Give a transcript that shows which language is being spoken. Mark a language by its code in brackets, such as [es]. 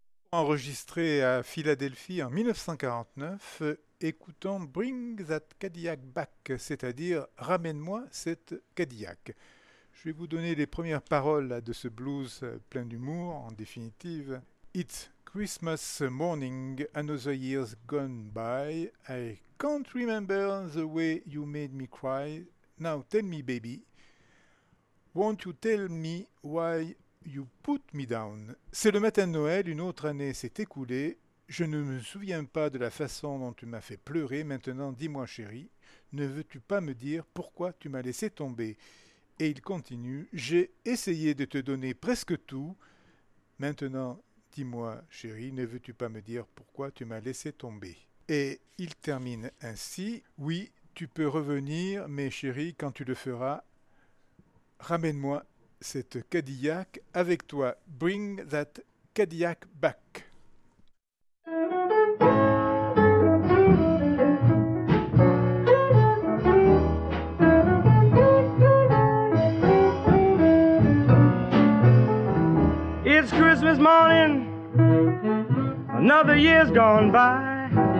[fr] enregistré à Philadelphie en 1949, écoutons Bring That Cadillac Back, c'est-à-dire Ramène-moi cette Cadillac. Je vais vous donner les premières paroles de ce blues plein d'humour, en définitive. [en] It's Christmas morning, another year's gone by. I can't remember the way you made me cry. Now tell me, baby, won't you tell me why you put me down? [fr] C'est le matin de Noël, une autre année s'est écoulée. Je ne me souviens pas de la façon dont tu m'as fait pleurer. Maintenant, dis-moi, chérie, ne veux-tu pas me dire pourquoi tu m'as laissé tomber? Et il continue, j'ai essayé de te donner presque tout. Maintenant, dis-moi, chérie, ne veux-tu pas me dire pourquoi tu m'as laissé tomber? Et il termine ainsi, oui, tu peux revenir, mais chérie, quand tu le feras, ramène-moi cette Cadillac avec toi. [en] Bring that Cadillac back. It's Christmas morning, another year's gone by.